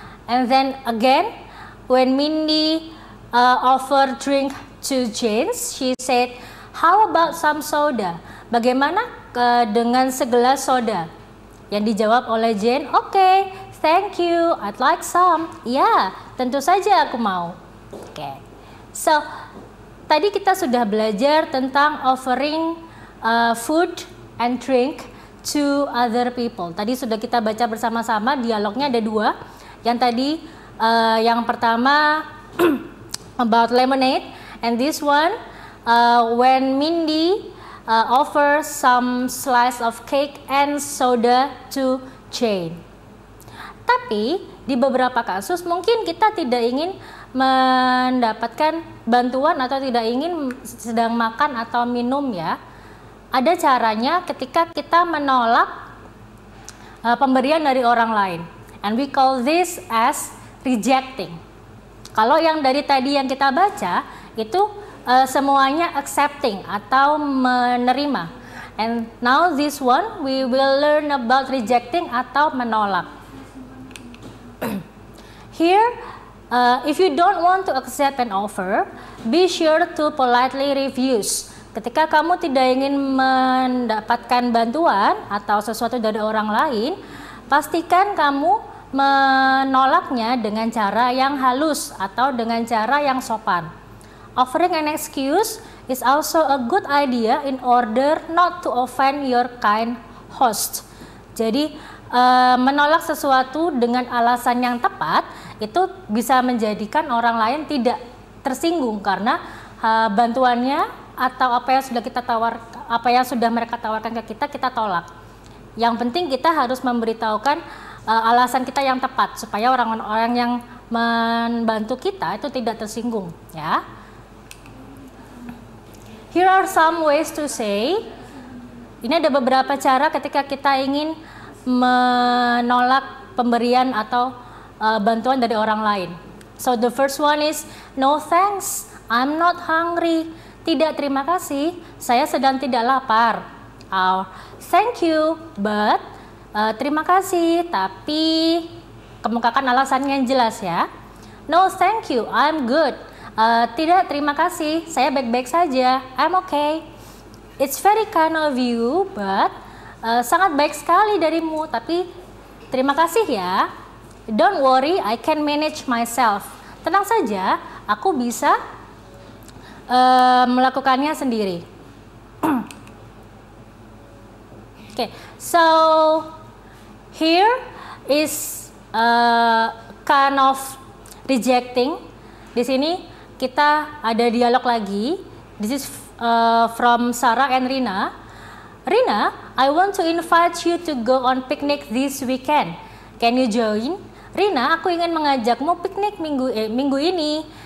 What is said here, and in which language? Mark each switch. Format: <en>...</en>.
<en>And then again, when Mindy offer drink to Jane, she said, "How about some soda?"</en> <id>Bagaimana dengan segelas soda? Yang dijawab oleh Jane,</id> <en>"Okay, thank you. I'd like some."</en> <id>Ya, tentu saja aku mau. Oke.</id> <en>So,</en> <id>tadi kita sudah belajar tentang</id> <en>offering food and drink to other people.</en> <id>Tadi sudah kita baca bersama-sama, dialognya ada dua. Yang tadi, yang pertama</id> <en>about lemonade. And this one, when Mindy offer some slice of cake and soda to Jane.</en> <id>Tapi, di beberapa kasus mungkin kita tidak ingin mendapatkan bantuan atau tidak ingin sedang makan atau minum ya. Ada caranya ketika kita menolak pemberian dari orang lain.</id> <en>And we call this as rejecting.</en> <id>Kalau yang dari tadi yang kita baca itu semuanya accepting atau menerima.</id> <en>And now this one we will learn about rejecting</en> <id>atau menolak.</id> <en>Here, if you don't want to accept an offer, be sure to politely refuse.</en> <id>Ketika kamu tidak ingin mendapatkan bantuan atau sesuatu dari orang lain, pastikan kamu menolaknya dengan cara yang halus atau dengan cara yang sopan.</id> <en>Offering an excuse is also a good idea in order not to offend your kind host.</en> <id>Jadi, menolak sesuatu dengan alasan yang tepat itu bisa menjadikan orang lain tidak tersinggung karena bantuannya atau apa yang sudah kita tawar, apa yang sudah mereka tawarkan ke kita, kita tolak. Yang penting kita harus memberitahukan alasan kita yang tepat supaya orang-orang yang membantu kita itu tidak tersinggung, ya.</id> <en>Here are some ways to say.</en> <id>Ini ada beberapa cara ketika kita ingin menolak pemberian atau bantuan dari orang lain.</id> <en>So the first one is, "No thanks, I'm not hungry."</en> <id>Tidak, terima kasih, saya sedang tidak lapar.</id> <en>Thank you, but</en> <id>terima kasih, tapi kemukakan alasannya yang jelas ya.</id> <en>"No thank you, I'm good."</en> <id>Tidak, terima kasih, saya baik-baik saja.</id> <en>"I'm okay." "It's very kind of you, but..."</en> <id>Sangat baik sekali darimu, tapi terima kasih ya.</id> <en>"Don't worry, I can manage myself."</en> <id>Tenang saja, aku bisa melakukannya sendiri.</id> <en>Okay, so here is kind of rejecting.</en> <id>Di sini kita ada dialog lagi.</id> <en>This is from Sarah and Rina. "Rina, I want to invite you to go on picnic this weekend. Can you join?"</en> <id>"Rina, aku ingin mengajakmu piknik minggu ini.</id>